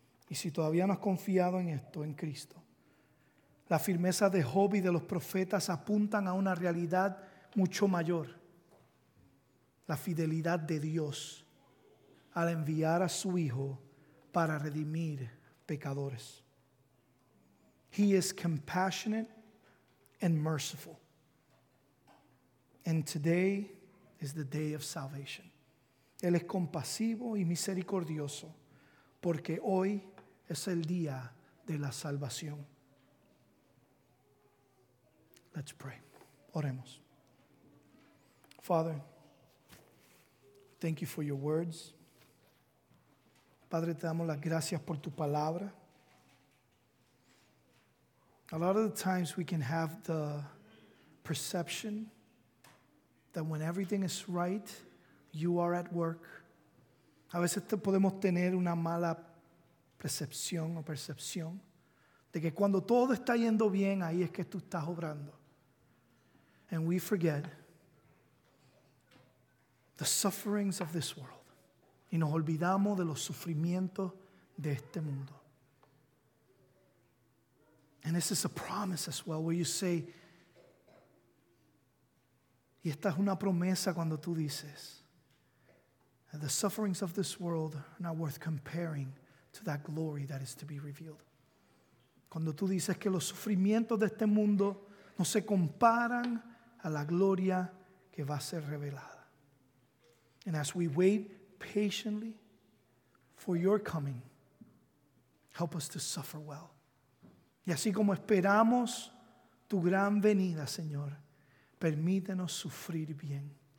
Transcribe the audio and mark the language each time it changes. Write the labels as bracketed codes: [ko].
[es] Y si todavía no has confiado en esto, en Cristo, la firmeza de Job y de los profetas apuntan a una realidad mucho mayor, la fidelidad de Dios al enviar a su hijo para redimir pecadores. [en] He is compassionate and merciful. And today is the day of salvation. [es] Él es compasivo y misericordioso porque hoy es el día de la salvación. [en] Let's pray. [es] Oremos. [en] Father, thank you for your words. [es] Padre, te damos las gracias por tu palabra. [en] A lot of the times we can have the perception that when everything is right, you are at work. [es] A veces podemos tener una mala percepción o percepción de que cuando todo está yendo bien, ahí es que tú estás obrando. [en] And we forget the sufferings of this world. [es] Y nos olvidamos de los sufrimientos de este mundo. [en] And this is a promise as well, where you say, [es] y esta es una promesa cuando tú dices, [en] that the sufferings of this world are not worth comparing to that glory that is to be revealed. [es] Cuando tú dices que los sufrimientos de este mundo no se comparan a la gloria que va a ser revelada. [en] And as we wait patiently for your coming, help us to suffer well. [es] Y así como esperamos tu gran venida, Señor, permítenos sufrir bien.